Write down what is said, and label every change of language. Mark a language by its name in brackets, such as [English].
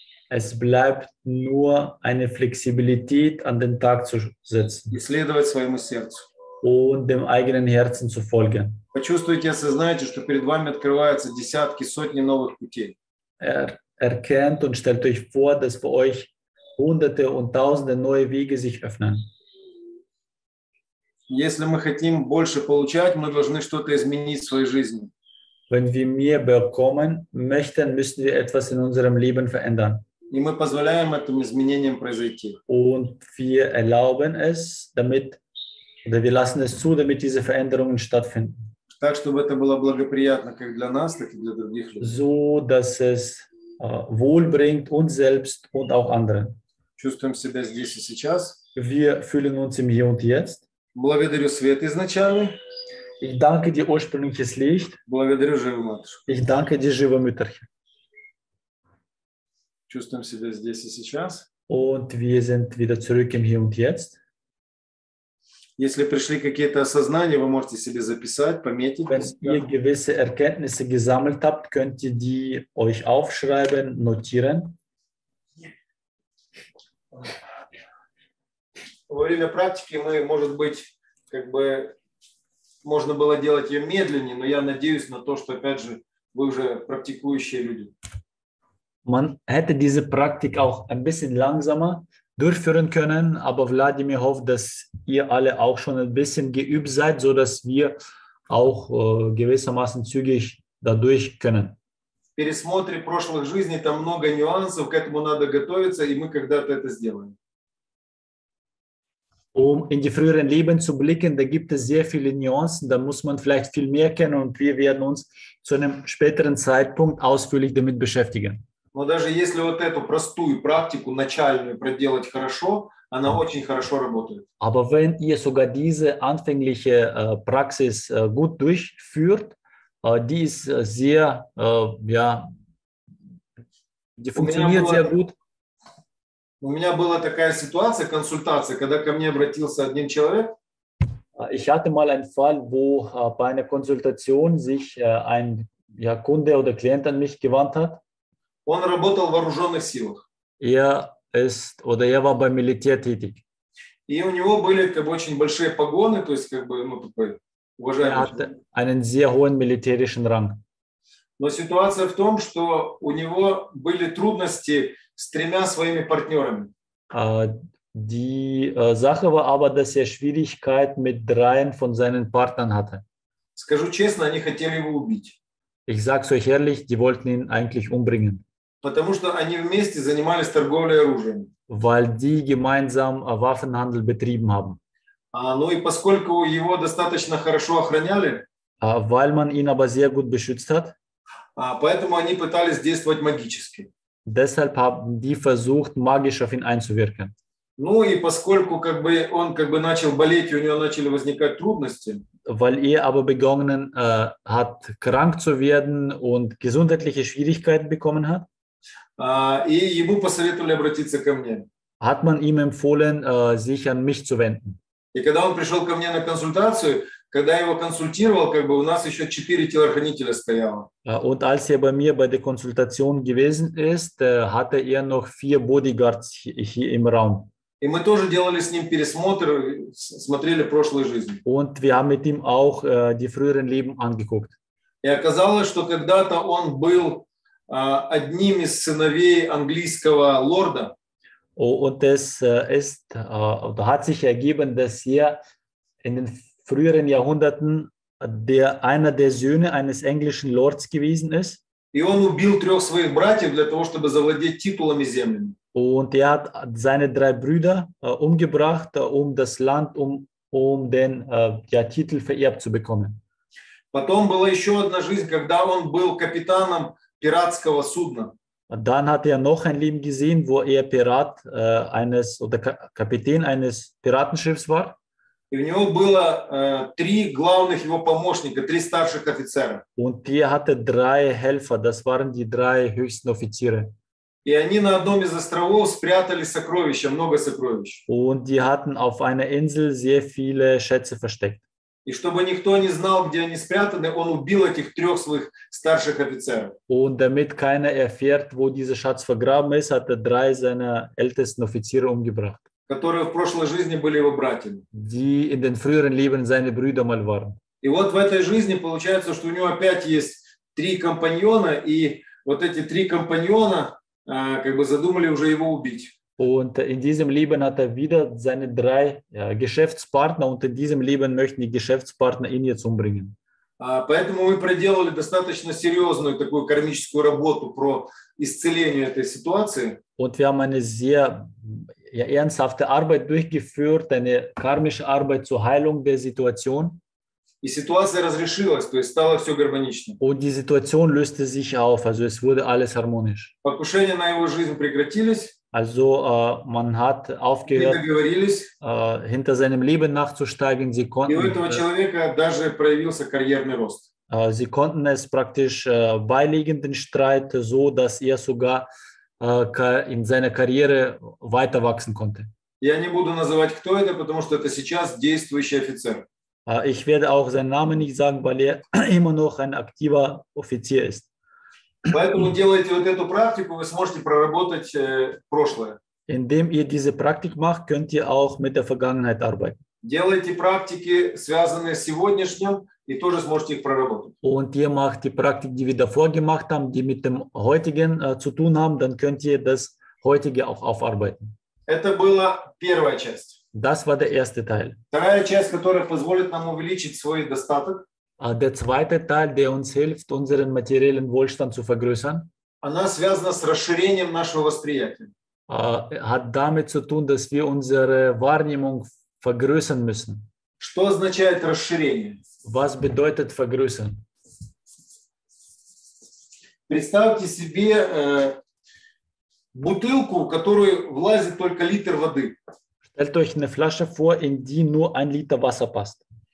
[German] Es bleibt nur eine Flexibilität an den Tag zu setzen. [Russian] И следовать своему сердцу. [German] Und dem eigenen Herzen zu folgen. [Russian] Почувствуйте, осознайте, что перед вами открываются десятки, сотни новых путей. [German] Erkennt und stellt euch vor, dass für euch hunderte und tausende neue Wege sich öffnen. [Russian] Если мы хотим больше получать, мы должны что-то изменить в своей жизни. [German] Wenn wir mehr bekommen möchten, müssen wir etwas in unserem Leben verändern. [Russian] И мы позволяем этим изменениям произойти. [German] Und wir erlauben es, damit oder wir lassen es zu, damit diese Veränderungen stattfinden. [Russian] Так, чтобы это было благоприятно как для нас, так и для других людей. [German] So, dass es wohl bringt uns selbst und auch anderen. [Russian] Чувствуем себя здесь и сейчас. [German] Wir fühlen uns im Hier und Jetzt. [Russian] Благодарю свет изначально. [German] Ich danke dir ursprüngliches Licht. [Russian] Благодарю живую матушку. [German] Ich danke dir [Russian] живой [German] Mütterchen. [Russian] Чувствуем себя здесь и сейчас. [German] Und wir sind wieder zurück im Hier und Jetzt. [Russian] Если пришли какие-то осознания, вы можете себе записать, пометить. [German] Wenn ihr gewisse Erkenntnisse gesammelt habt, könnt ihr die euch aufschreiben, notieren. [Russian] Во время практики мы, может быть, как бы можно было делать ее медленнее, но я надеюсь на то, что, опять же, вы уже практикующие люди. [German] Man hätte diese Praktik auch ein bisschen langsamer durchführen können, aber Wladimir hofft, dass ihr alle auch schon ein bisschen geübt seid, so dass wir auch gewissermaßen zügig dadurch können. [Russian] Пересмотре прошлых жизней там много нюансов, к этому надо готовиться, и мы когда-то это сделаем. [German] Um in die früheren Leben zu blicken, da gibt es sehr viele Nuancen, da muss man vielleicht viel mehr kennen und wir werden uns zu einem späteren Zeitpunkt ausführlich damit beschäftigen. [Russian] Но даже если вот эту простую практику начальную проделать хорошо, она очень хорошо работает. [German] Aber wenn ihr sogar diese anfängliche Praxis gut durchführt, die ist sehr, ja, die funktioniert sehr gut. [Russian] У меня была такая ситуация, консультация, когда ко мне обратился один человек. [German] Ich hatte mal einen Fall, wo bei einer Konsultation sich ein ja, Kunde oder Klient an mich gewandt hat. [Russian] Он работал в вооруженных силах. [German] Я war beim Militär tätig. [Russian] И у него были как бы очень большие погоны, то есть как бы, ну, такой уважаемый. [German] Hatte einen sehr hohen militärischen Rang. [Russian] Но ситуация в том, что у него были трудности с тремя своими партнерами. [German] Sache war aber, dass Schwierigkeiten mit dreien von seinen Partnern hatte. [Russian] Скажу честно, они хотели его убить. [German] Ich sag's euch ehrlich, die wollten ihn eigentlich umbringen. [Russian] Потому что они вместе занимались торговлей оружием. [German] Weil die gemeinsam Waffenhandel betrieben haben. [Russian] Ну и поскольку его достаточно хорошо охраняли. [German] Weil man ihn aber sehr gut beschützt hat. [Russian] Поэтому они пытались действовать магически. [German] Deshalb haben die versucht, magisch auf ihn einzuwirken. [Russian] Ну и поскольку как бы он как бы начал болеть, и у него начали возникать трудности. [German] Weil aber begonnen hat, krank zu werden und gesundheitliche Schwierigkeiten bekommen hat. [Russian] И ему посоветовали обратиться ко мне. [German] Hat man ihm empfohlen, sich an mich zu wenden. [Russian] И когда он пришел ко мне на консультацию, когда я его консультировал, как бы у нас еще четыре телохранителя стояло. [German] Und als er bei mir bei der Konsultation gewesen ist, hatte er noch vier Bodyguards hier im Raum. [Russian] И мы тоже делали с ним пересмотр, смотрели прошлые жизни. [German] Und wir haben mit ihm auch die früheren Leben angeguckt. [Russian] И оказалось, что когда-то он был одним из сыновей английского лорда. [German] Und es ist, oder hat sich ergeben, dass er in den früheren Jahrhunderten der einer der Söhne eines englischen Lords gewesen ist. [Russian] И он убил трех своих братьев для того, чтобы завладеть титулами землями. [German] Und er hat seine drei Brüder umgebracht, um das Land, um den ja, Titel vererbt zu bekommen. [Russian] Потом была еще одна жизнь, когда он был капитаном пиратского судна. [German] Dann hat er noch ein Leben gesehen, wo er Pirat eines oder Kapitän eines Piratenschiffs war. [Russian] И у него было три главных его помощника, три старших офицера. [German] Und er hatte drei Helfer, das waren die drei höchsten Offiziere. [Russian] И они на одном из островов спрятали сокровища, много сокровищ. [German] Und die hatten auf einer Insel sehr viele Schätze versteckt. [Russian] И чтобы никто не знал, где они спрятаны, он убил этих трех своих старших офицеров. [German] Und damit keiner erfährt, wo dieser Schatz vergraben ist, hat er drei seiner ältesten Offiziere umgebracht. [Russian] Которые в прошлой жизни были его братьями. [German] Die in den früheren Leben seine Brüder mal waren. [Russian] И вот в этой жизни получается, что у него опять есть три компаньона, и вот эти три компаньона как бы задумали уже его убить. [German] Und in diesem Leben hat wieder seine drei Geschäftspartner, und in diesem Leben möchten die Geschäftspartner ihn jetzt umbringen. [Russian] Поэтому мы проделали достаточно серьезную такую кармическую работу про исцеление этой ситуации. [German] Und wir haben eine sehr ernsthafte Arbeit durchgeführt, eine karmische Arbeit zur Heilung der Situation. [Russian] И ситуация разрешилась, то есть стало все гармонично. [German] Und die Situation löste sich auf, also es wurde alles harmonisch. [Russian] Покушения на его жизнь прекратились. [German] Also man hat aufgehört, hinter seinem Leben nachzusteigen. Sie konnten, [Russian] и у этого человека даже проявился карьерный рост. [German] Sie konnten es praktisch beilegen, den Streit, so dass er sogar in seiner Karriere weiter wachsen konnte. [Russian] Я не буду называть, кто это, потому что это сейчас действующий офицер. [German] Ich werde auch seinen Namen nicht sagen, weil immer noch ein aktiver Offizier ist. [Russian] Поэтому делайте вот эту практику, вы сможете проработать прошлое. [German] Indem ihr diese Praktik macht, könnt ihr auch mit der Vergangenheit arbeiten. [Russian] Делайте практики, связанные с сегодняшним, и тоже сможете их проработать. [German] Und ihr macht die Praktik, die wir davor gemacht haben, die mit dem heutigen zu tun haben, dann könnt ihr das heutige auch aufarbeiten. [Russian] Это была первая часть. [German] Das war der erste Teil. [Russian] Вторая часть, которая позволит нам увеличить свой достаток. [German] Der zweite Teil, der uns hilft, unseren materiellen Wohlstand zu vergrößern. [Russian] Она связана с расширением нашего восприятия. [German] Hat damit zu tun, dass wir unsere Wahrnehmung vergrößern müssen. [Russian] Что означает расширение? [German] Was bedeutet vergrößern? [Russian] Представьте себе бутылку, в которую влазит только литр воды. [German] Stellt euch eine Flasche vor, in die nur ein Liter Wasser passt.